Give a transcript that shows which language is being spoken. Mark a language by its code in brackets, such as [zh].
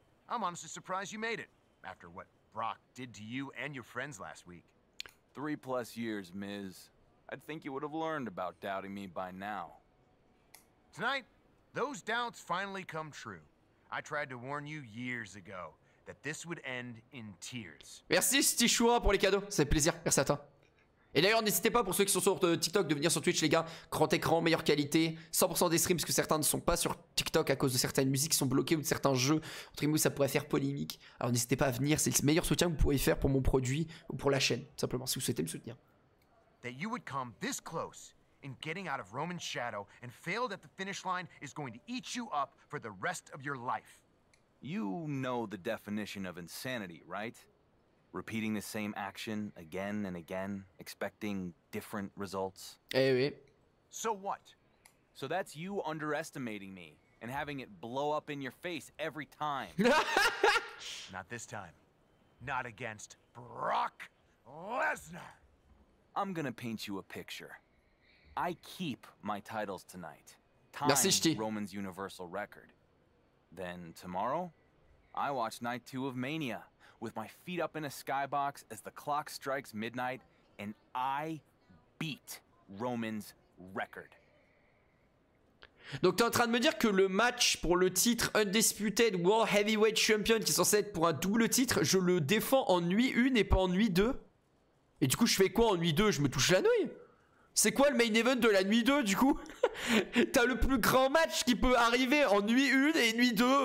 [en] I'm honestly surprised you made it, after what Brock did to you and your friends last week. 3+ years, Miz. I'd think you would have learned about doubting me by now. Tonight, those doubts finally come true. I tried to warn you years ago that this would end in tears. [fr] Merci Stichoua pour les cadeaux, c'est plaisir, merci à toi. Et d'ailleurs, n'hésitez pas pour ceux qui sont sur TikTok de venir sur Twitch, les gars. Grand écran, meilleure qualité. 100% des streams, parce que certains ne sont pas sur TikTok à cause de certaines musiques qui sont bloquées ou de certains jeux. Entre guillemets, ça pourrait faire polémique. Alors n'hésitez pas à venir, c'est le meilleur soutien que vous pouvez faire pour mon produit ou pour la chaîne, simplement, si vous souhaitez me soutenir. [en] That you would come this close in getting out of Roman's shadow and fail at the finish line is going to eat you up for the rest of your life. You know the definition of insanity, right? Repeating the same action again and again, expecting different results. [fr] Eh oui. [en] So what? So that's you underestimating me and having it blow up in your face every time. Not this time. Not against Brock Lesnar. I'm gonna paint you a picture. I keep my titles tonight. Time Roman's Universal Record. Then tomorrow, I watch night 2 of Mania. With my feet up in a skybox as the clock strikes midnight, and I beat Roman's record. [fr] Donc t'es en train de me dire que le match pour le titre Undisputed World Heavyweight Champion, qui est censé être pour un double titre, je le défends en nuit 1 et pas en nuit 2. Et du coup, je fais quoi en nuit 2? Je me touche la nouille. C'est quoi le main event de la nuit 2 du coup? T'as le plus grand match qui peut arriver en nuit 1 et nuit 2.